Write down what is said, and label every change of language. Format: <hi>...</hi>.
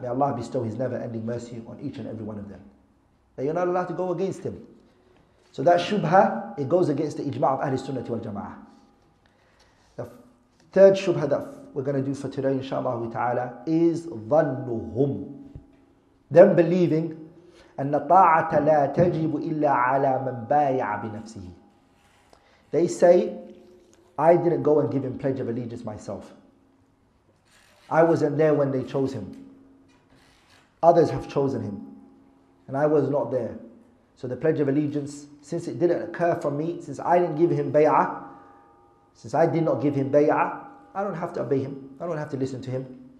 <en>May Allah bestow his never-ending mercy on each and every one of them. That you're not allowed to go against him. So that shubha, it goes against the ijma' of Ahl Sunnah wal Jama'ah. The third shubha that we're going to do for today, inshaAllah ta'ala, is dhannuhum. Them believing</en> <ar>أن طاعة لا تجب إلا على من بايع بنفسه.</ar> <en>They say, I didn't go and give him pledge of allegiance myself. I wasn't there when they chose him. Others have chosen him, and I was not there. So the pledge of allegiance, since it didn't occur from me, since I didn't give him bay'ah, since I did not give him bay'ah, I don't have to obey him. I don't have to listen to him.</en>